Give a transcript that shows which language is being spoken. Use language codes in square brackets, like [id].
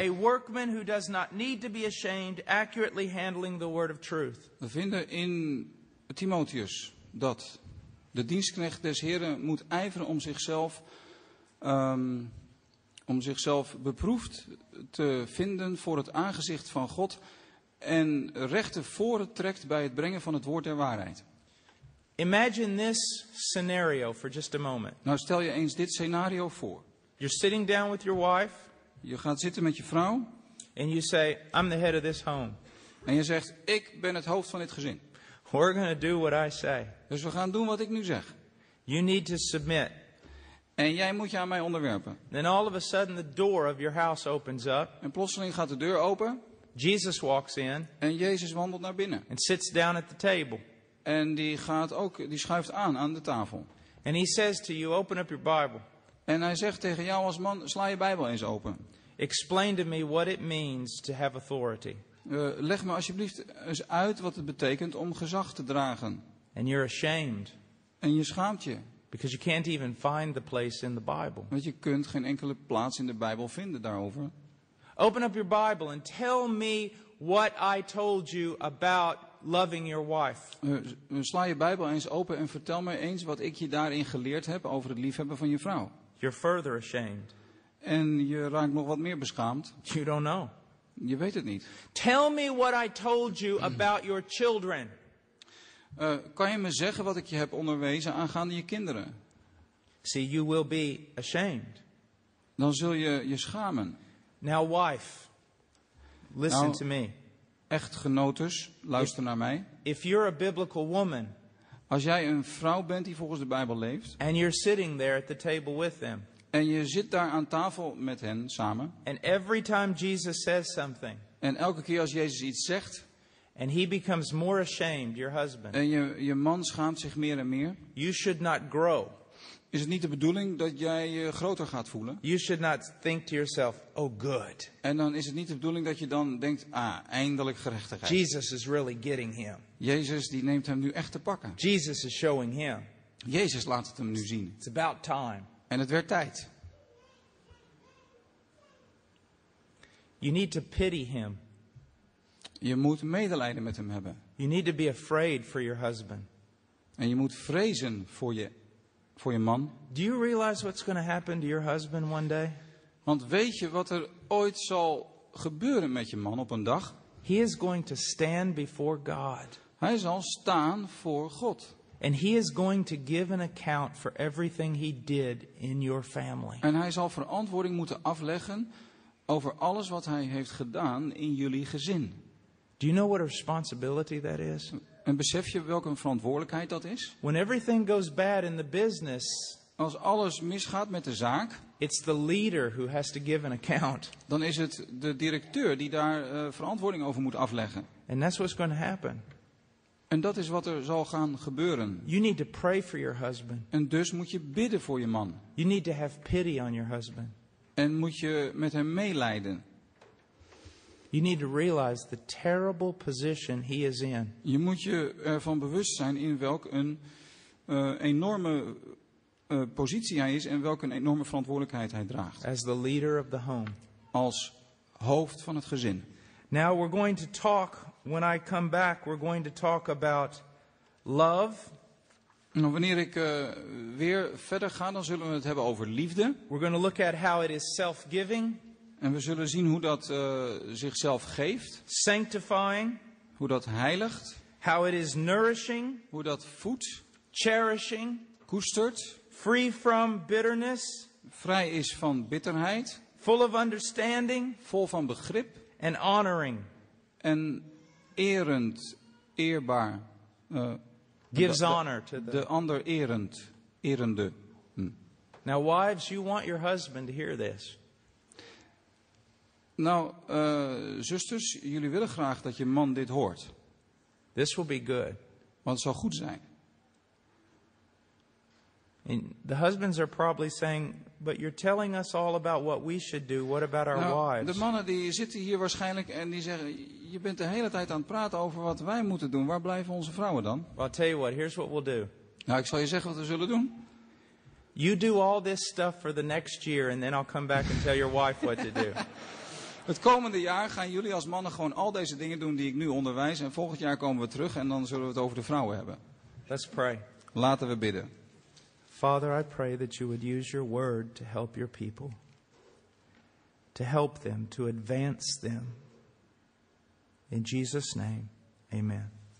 [en] A workman who does not need to be ashamed, accurately handling the word of truth. [nl] We vinden in Timotheus dat de dienstknecht des Heren moet ijveren om zichzelf beproefd te vinden voor het aangezicht van God en recht te voren trekt bij het brengen van het woord der waarheid. [en] Imagine this scenario for just a moment. [nl] Nou, stel je eens dit scenario voor. [en] You're sitting down with your wife. [nl] Je gaat zitten met je vrouw. [en] And you say, I'm the head of this home. [nl] En je zegt, ik ben het hoofd van dit gezin. [en] We're going to do what I say. [nl] Dus we gaan doen wat ik nu zeg. [en] You need to submit. [nl] En jij moet je aan mij onderwerpen. [en] Then all of a sudden the door of your house opens up. [nl] En plotseling gaat de deur open. [en] Jesus walks in. [nl] En Jezus wandelt naar binnen. [en] And sits down at the table. [nl] En die gaat ook, die schuift aan de tafel. [en] And he says to you, open up your Bible. [nl] En hij zegt tegen jou als man, sla je Bijbel eens open. [en] Explain to me what it means to have authority. [nl] Leg me alsjeblieft eens uit wat het betekent om gezag te dragen. [en] And you're ashamed. [nl] En je schaamt je. [en] Because you can't even find the place in the Bible. [nl] Want je kunt geen enkele plaats in de Bijbel vinden daarover. [en] Open up your Bible and tell me what I told you about loving your wife. [nl] Sla je Bijbel eens open en vertel me eens wat ik je daarin geleerd heb over het liefhebben van je vrouw. [en] You're further ashamed. [nl] En je raakt nog wat meer beschaamd. [en] You don't know. [nl] Je weet het niet. [en] Tell me what I told you about your children. [nl] Kan je me zeggen wat ik je heb onderwezen aangaande je kinderen? [en] See, you will be ashamed. [nl] Dan zul je je schamen. [en] Now, wife, listen nou, to me. [nl] Echtgenotes, luister naar mij. [en] If you're a biblical woman, [nl] als jij een vrouw bent die volgens de Bijbel leeft, [en] and you're sitting there at the table with them, [nl] en je zit daar aan tafel met hen samen, [en] and every time Jesus says something, [nl] en elke keer als Jezus iets zegt, [en] and he becomes more ashamed, your husband, [nl] en je man schaamt zich meer en meer, [en] you should not grow. [nl] Is het niet de bedoeling dat jij je groter gaat voelen? [en] You should not think to yourself, oh good. [nl] En dan is het niet de bedoeling dat je dan denkt, ah, eindelijk gerechtigheid. [en] Jesus is really getting him. [nl] Jezus die neemt hem nu echt te pakken. [en] Jesus is showing him. [nl] Jezus laat het hem nu zien. [en] It's about time. [nl] En het werd tijd. [en] You need to pity him. [nl] Je moet medelijden met hem hebben. [en] You need to be afraid for your husband. [nl] En je moet vrezen voor je man. [en] Do you realize what's going to happen to your husband one day? [nl] Want weet je wat er ooit zal gebeuren met je man op een dag? [en] He is going to stand before God. [nl] Hij zal staan voor God. [en] And he is going to give an account for everything he did in your family. [nl] En hij zal verantwoording moeten afleggen over alles wat hij heeft gedaan in jullie gezin. [en] Do you know what a responsibility that is? [nl] En besef je welke verantwoordelijkheid dat is? [en] When everything goes bad in the business, [nl] als alles misgaat met de zaak, [en] it's the leader who has to give an account. [nl] Dan is het de directeur die daar verantwoording over moet afleggen. [en] And that's what's going to happen. [nl] En dat is wat er zal gaan gebeuren. [en] You need to pray for your husband. [nl] En dus moet je bidden voor je man. [en] You need to have pity on your husband. [nl] En moet je met hem meelijden. [en] You need to realize the terrible position he is in. [nl] Je moet je ervan bewust zijn in welk een enorme positie hij is en welke een enorme verantwoordelijkheid hij draagt. [en] As the leader of the home. [nl] Als hoofd van het gezin. [en] Now we're going to talk, when I come back, we're going to talk about love. [nl] Nou, wanneer ik weer verder ga, dan zullen we het hebben over liefde. [en] We're going to look at how it is self-giving. [nl] En we zullen zien hoe dat zichzelf geeft. [en] Sanctifying. [nl] Hoe dat heiligt. [en] How it is nourishing. [nl] Hoe dat voedt. [en] Cherishing. [nl] Koestert. [en] Free from bitterness. [nl] Vrij is van bitterheid. [en] Full of understanding. [nl] Vol van begrip. [en] And honoring. [nl] En erend, eerbaar. [en] Gives honor to the. [nl] De ander erend, erende. [en] Now wives, you want your husband to hear this. [nl] Nou, zusters, jullie willen graag dat je man dit hoort. [en] This will be good. [nl] Want het zal goed zijn. [en] And the husbands are probably saying, but you're telling us all about what we should do. What about our nou, wives? [nl] De mannen die zitten hier waarschijnlijk en die zeggen, je bent de hele tijd aan het praten over wat wij moeten doen. Waar blijven onze vrouwen dan? [en] Well, I'll tell you what, here's what we'll do. [nl] Nou, ik zal je zeggen wat we zullen doen. [en] You do all this stuff for the next year and then I'll come back and tell your wife what to do. [nl] Het komende jaar gaan jullie als mannen gewoon al deze dingen doen die ik nu onderwijs. En volgend jaar komen we terug en dan zullen we het over de vrouwen hebben. [en] Let's pray. [nl] Laten we bidden. [en] Father, I pray that you would use your word to help your people. To help them, to advance them. In Jesus' name, amen.